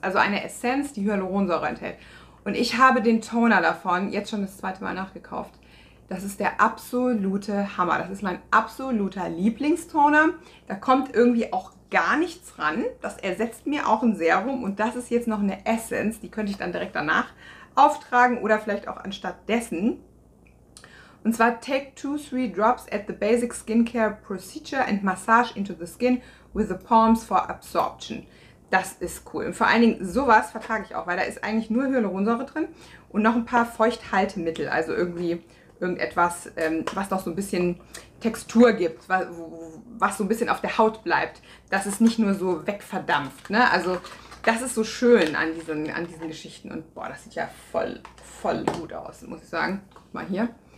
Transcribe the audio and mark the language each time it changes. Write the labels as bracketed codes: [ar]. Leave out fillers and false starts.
[de] Also eine Essenz, die Hyaluronsäure enthält. Und ich habe den Toner davon jetzt schon das zweite Mal nachgekauft. Das ist der absolute Hammer. Das ist mein absoluter Lieblingstoner. Da kommt irgendwie auch gar nichts ran. Das ersetzt mir auch ein Serum. Und das ist jetzt noch eine Essence. Die könnte ich dann direkt danach auftragen oder vielleicht auch anstatt dessen. Und zwar [en] take 2-3 drops at the basic skincare procedure and massage into the skin with the palms for absorption. [de] Das ist cool. Und vor allen Dingen sowas vertrage ich auch, weil da ist eigentlich nur Hyaluronsäure drin und noch ein paar Feuchthaltemittel. Also irgendwie irgendetwas, was noch so ein bisschen Textur gibt, was so ein bisschen auf der Haut bleibt, dass es nicht nur so wegverdampft, ne? Also das ist so schön an diesen Geschichten und boah, das sieht ja voll gut aus, muss ich sagen. Guck mal hier.